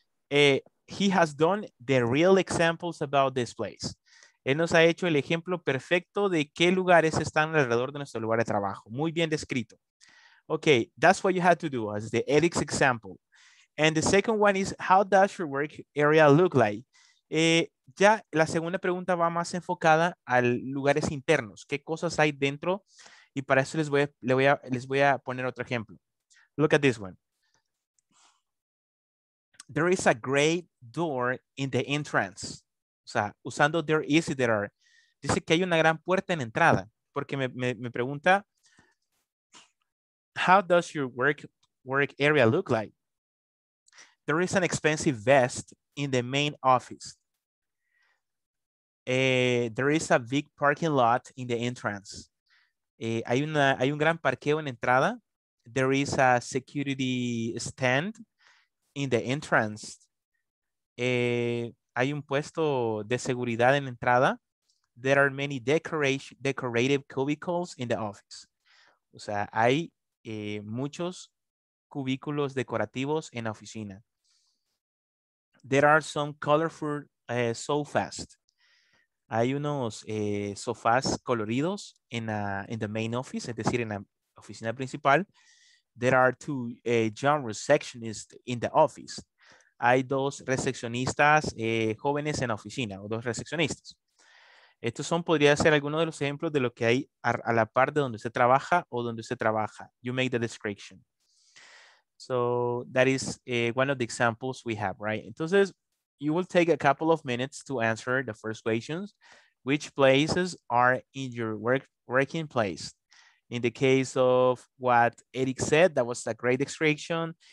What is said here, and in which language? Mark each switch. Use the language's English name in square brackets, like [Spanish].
[English] He has done the real examples about this place. [Spanish] Él nos ha hecho el ejemplo perfecto de qué lugares están alrededor de nuestro lugar de trabajo. Muy bien descrito. [English] Okay, that's what you had to do, as the Eric's example. And the second one is, how does your work area look like? [Spanish] Ya la segunda pregunta va más enfocada a lugares internos. ¿Qué cosas hay dentro? Y para eso les voy a poner otro ejemplo. [English] Look at this one. There is a gray door in the entrance. [Spanish] O sea, usando there is y there are. Dice que hay una gran puerta en entrada. Porque me pregunta, [English] how does your work area look like? There is an expensive vest in the main office. There is a big parking lot in the entrance. [Spanish] Hay un gran parqueo en entrada. [English] There is a security stand in the entrance. [Spanish] Hay un puesto de seguridad en entrada. [English] There are many decorative cubicles in the office. [Spanish] O sea, hay muchos cubículos decorativos en la oficina. [English] There are some colorful sofas. [Spanish] Hay unos sofás coloridos [English] in the main office, [Spanish] es decir, en la oficina principal. [English] There are two young receptionists in the office. [Spanish] Hay dos recepcionistas jóvenes en la oficina, o dos recepcionistas. Estos son, podría ser algunos de los ejemplos de lo que hay a la par de donde usted trabaja o donde usted trabaja. [English] You make the description. So that is one of the examples we have, right? Entonces, you will take a couple of minutes to answer the first questions. Which places are in your working place? In the case of what Eric said, that was a great description.